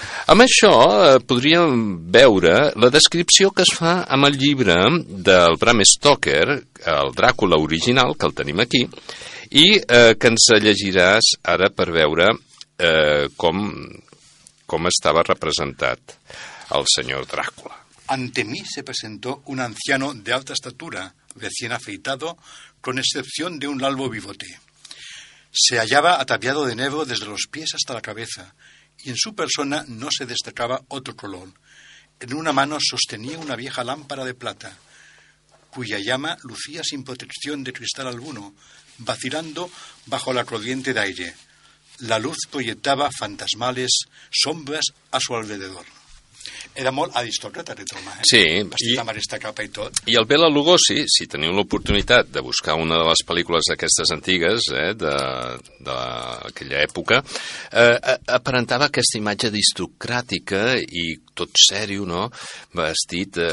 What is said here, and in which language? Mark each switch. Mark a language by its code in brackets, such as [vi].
[ca] Amb això podríem veure la descripció que es fa amb el llibre del Bram Stoker, el Dràcula original, que el tenim aquí, i que ens llegiràs ara per veure com estava representat el senyor Dràcula. [es] Ante mí se presentó un anciano de alta estatura, recién afeitado, con excepción de un largo bigote. Se hallaba ataviado de negro desde los pies hasta la cabeza, y en su persona no se destacaba otro color. En una mano sostenía una vieja lámpara de plata, cuya llama lucía sin protección de cristal alguno, vacilando bajo la corriente de aire. La luz proyectaba fantasmales sombras a su alrededor. [ca] Era molt aristòcrata, de Tomà, eh? Sí. Vestit amb aquesta capa i tot. I el Bela Lugosi, si teniu l'oportunitat de buscar una de les pel·lícules d'aquestes antigues, d'aquella època, aparentava aquesta imatge aristocràtica i tot sèrio, no?, vestit...